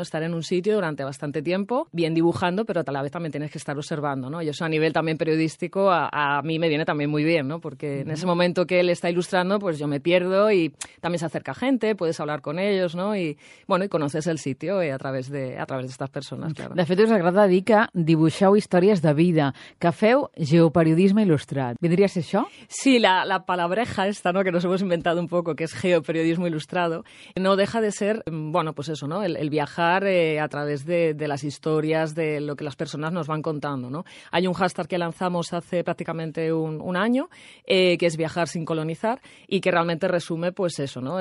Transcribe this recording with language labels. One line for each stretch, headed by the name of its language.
Spanish: Estar en un sitio durante bastante tiempo, bien dibujando, pero a la vez también tienes que estar observando, ¿no? Y eso a nivel también periodístico a mí me viene también muy bien, ¿no? Porque en ese momento que él está ilustrando, pues yo me pierdo y también se acerca gente, puedes hablar con ellos, ¿no? Y bueno, y conoces el sitio a través de estas personas, claro.
Catalan: De fet, us agrada dir que dibuixeu històries de vida, que feu geoperiodisme il·lustrat. ¿Vindria a ser això?
Spanish: Sí, la palabreja esta, ¿no? Que nos hemos inventado un poco, que es geoperiodismo ilustrado, no deja de ser, bueno, pues eso, ¿no? El viajar a través de las historias de lo que las personas nos van contando, ¿no? Hay un hashtag que lanzamos hace prácticamente un año, que es viajar sin colonizar, y que realmente resume pues eso, ¿no?